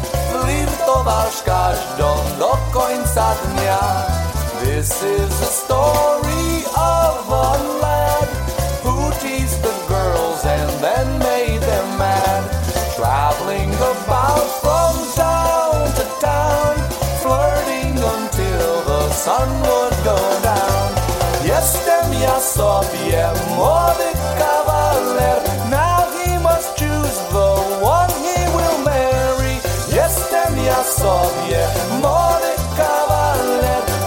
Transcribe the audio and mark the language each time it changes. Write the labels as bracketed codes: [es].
[pl] Flirtowasz każdą do końca dnia. [en] This is the story of a lad who teased the girls and then made them mad. Traveling about from town to town, flirting until the sun would go down. [pl] Jestem ja sobie młody kawaler. [en] Now he must choose the one he will marry. [pl] Jestem ja sobie młody kawaler.